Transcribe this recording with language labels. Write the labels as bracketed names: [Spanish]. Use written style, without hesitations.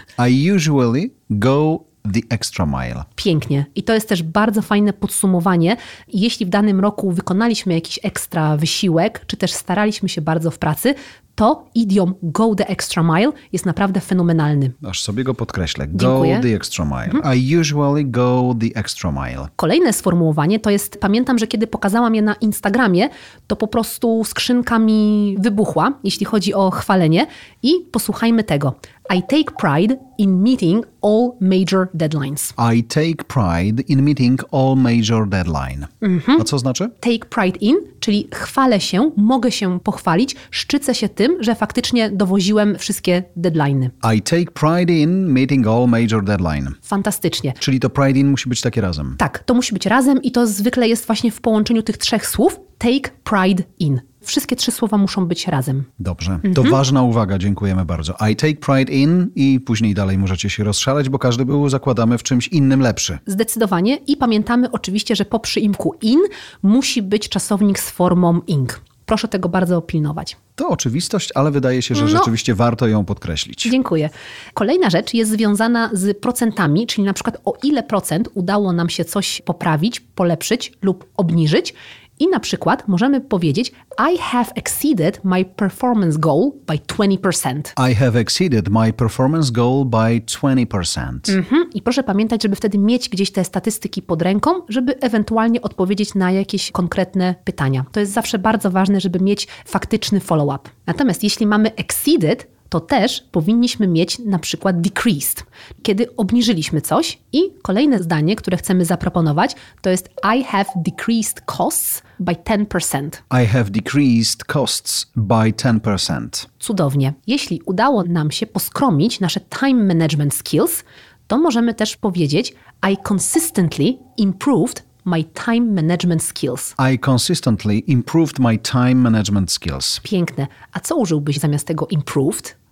[English] I usually go the extra mile. [Polish] Pięknie. I to jest też bardzo fajne podsumowanie. Jeśli w danym roku wykonaliśmy jakiś ekstra wysiłek, czy też staraliśmy się bardzo w pracy, to idiom [English] go the extra mile [Polish] jest naprawdę fenomenalny. Aż sobie go podkreślę. [English] Go [Polish] dziękuję [English] the extra mile. Mhm. I usually go the extra mile. [Polish] Kolejne sformułowanie to jest, pamiętam, że kiedy pokazałam je na Instagramie, to po prostu skrzynka mi wybuchła, jeśli chodzi o chwalenie. I posłuchajmy tego. [English] I take pride in meeting all major deadlines. I take pride in meeting all major deadline. Mm-hmm. [Polish] A co znaczy? [English] Take pride in, [Polish] czyli chwalę się, mogę się pochwalić, szczycę się tym, że faktycznie dowoziłem wszystkie deadline'y. [English] I take pride in meeting all major deadline. [Polish] Fantastycznie. Czyli to [English] pride in [Polish] musi być takie razem. Tak, to musi być razem i to zwykle jest właśnie w połączeniu tych trzech słów. [English] Take pride in. [Polish] Wszystkie trzy słowa muszą być razem. Dobrze. Mhm. To ważna uwaga, dziękujemy bardzo. [English] I take pride in [Polish] i później dalej możecie się rozszaleć, bo każdy był, zakładamy, w czymś innym lepszy. Zdecydowanie. I pamiętamy oczywiście, że po przyimku in musi być czasownik z formą ing. Proszę tego bardzo pilnować. To oczywistość, ale wydaje się, że no, rzeczywiście warto ją podkreślić. Dziękuję. Kolejna rzecz jest związana z procentami, czyli na przykład o ile procent udało nam się coś poprawić, polepszyć lub obniżyć. I na przykład możemy powiedzieć [English] I have exceeded my performance goal by 20%. I have exceeded my performance goal by 20%. Mm-hmm. [Polish] I proszę pamiętać, żeby wtedy mieć gdzieś te statystyki pod ręką, żeby ewentualnie odpowiedzieć na jakieś konkretne pytania. To jest zawsze bardzo ważne, żeby mieć faktyczny follow-up. Natomiast jeśli mamy exceeded, to też powinniśmy mieć na przykład decreased, kiedy obniżyliśmy coś. I kolejne zdanie, które chcemy zaproponować, to jest [English] I have decreased costs by 10%. I have decreased costs by 10%. [Polish] Cudownie. Jeśli udało nam się poskromić nasze time management skills, to możemy też powiedzieć [English] I consistently improved my time management skills. I consistently improved my time management skills. [Polish] Piękne. A co użyłbyś zamiast tego improved?